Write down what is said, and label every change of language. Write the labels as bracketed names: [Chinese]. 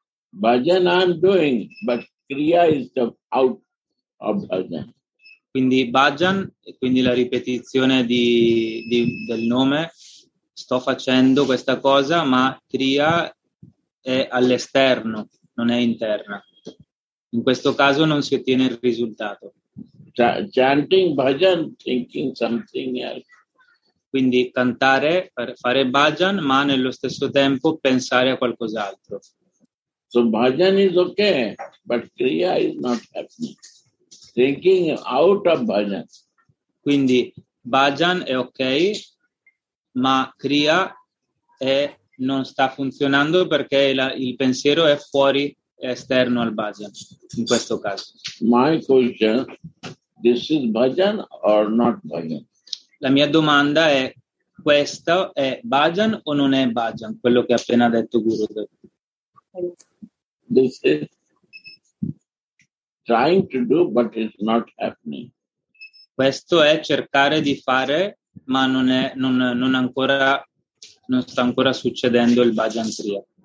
[English] Bhajan I am doing, but kriya is the out of bhajan. [Italian] Quindi bhajan, quindi la ripetizione del nome, sto facendo questa cosa, ma kriya è all'esterno, non è interna. In questo caso non si ottiene il risultato. [English] Chanting bhajan, thinking something else. [Italian] Quindi cantare, fare bhajan, ma nello stesso tempo pensare a qualcos'altro. [English] So bhajan is okay, but kriya is not happening. Thinking out of bhajan. [Italian] Quindi bhajan è ok, ma kriya non sta funzionando perché il pensiero è fuori, è esterno al bhajan, in questo caso. [English] My question, this is bhajan or not bhajan? [Italian] La mia domanda è, questo è bhajan o non è bhajan? Quello che ha appena detto Gurudev. [English] This is trying to do, but it's not happening. [Italian] Questo è cercare di fare, ma non sta ancora succedendo il bhajan kriya.